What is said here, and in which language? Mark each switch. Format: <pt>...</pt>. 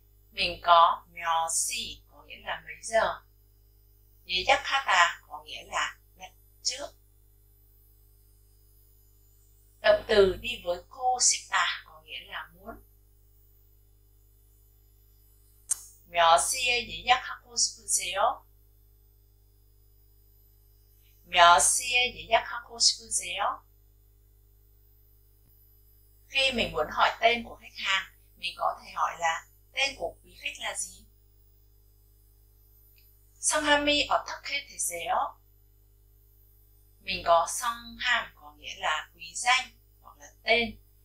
<vi>Mình có 몇 시 có nghĩa là mấy giờ. 예약하다 có nghĩa là đặt trước. Động từ đi với cô sita có nghĩa là muốn.</vi> <ko>몇 시에 예약하고 싶으세요? 몇 시에 예약하고 싶으세요?</ko> <vi>Khi mình muốn hỏi tên của khách hàng, mình có thể hỏi là tên của quý khách là gì?</vi> <ko>성함이 어떻게 되세요?</ko> <vi>Mình có 성함 có nghĩa là quý danh hoặc là tên.</vi>